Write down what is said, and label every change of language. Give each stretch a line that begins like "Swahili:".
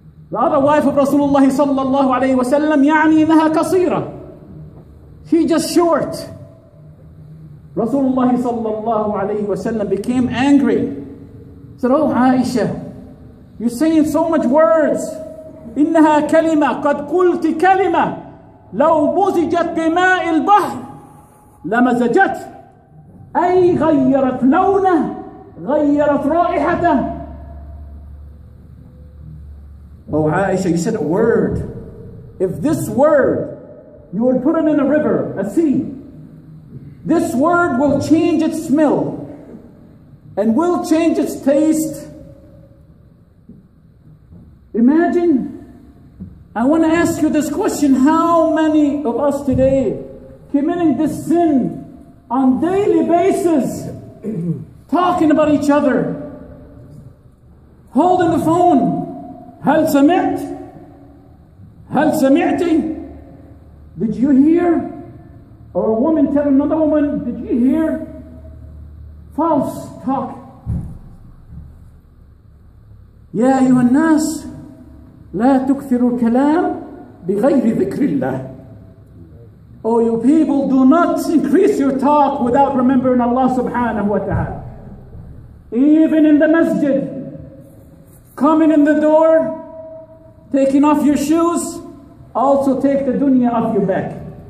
English: The other wife of Rasulullah sallallahu alayhi wa sallam,
Arabic: ya'ni inaha kasira,
English: she just short. Rasulullah sallallahu alayhi wa sallam became angry. Said, oh Aisha, you're saying so much words.
Arabic: Innaha kalima, qad qulti kalima, لو مزجت بماء البحر لمزجت, أي غيرت لونه غيرت رائحته.
English: Oh Aisha, you said a word. If this word, you would put it in a river, a sea, this word will change its smell and will change its taste. Imagine. I want to ask you this question, how many of us today committing this sin on daily basis, talking about each other, holding the phone,
Arabic: هل سمعت, هل سمعتي,
English: did you hear, or a woman tell another woman, did you hear, false talk.
Arabic: يا أيها الناس لا تكثروا الكلام بغير ذكر الله.
English: Oh you people, do not increase your talk without remembering Allah subhanahu wa ta'ala. Even in the masjid, coming in the door, taking off your shoes, also take the dunya off your back.